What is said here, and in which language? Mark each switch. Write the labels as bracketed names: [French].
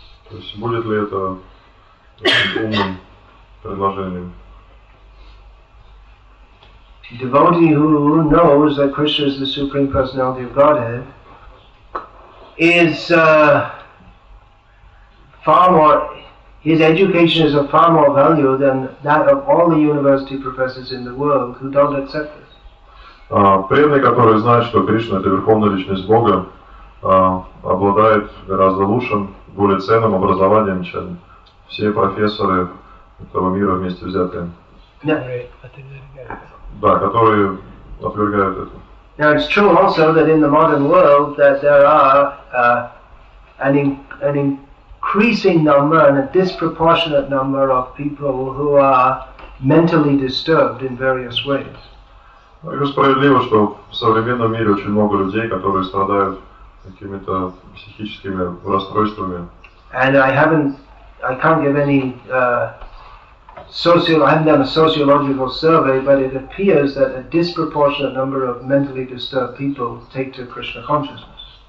[Russian] То есть будет ли это умным предложением? [English] Devotee who knows that Krishna is the Supreme Personality of Godhead is far more, his education is of far more value than that of all the university professors in the world who don't accept this. [Russian] Преданный, который знает, что Кришна это верховная личность Бога, обладает гораздо лучшим, более ценным образованием, чем все профессоры этого мира вместе взятые. Да, которые отвергают это. [English] Now it's true also that in the modern world that there are an increasing number and a disproportionate number of people who are mentally disturbed in various ways. [Russian] Это справедливо, что в современном мире очень много людей, которые страдают какими-то психическими расстройствами. [English] And I haven't done a sociological survey, but it appears that a disproportionate number of mentally disturbed people take to Krishna consciousness.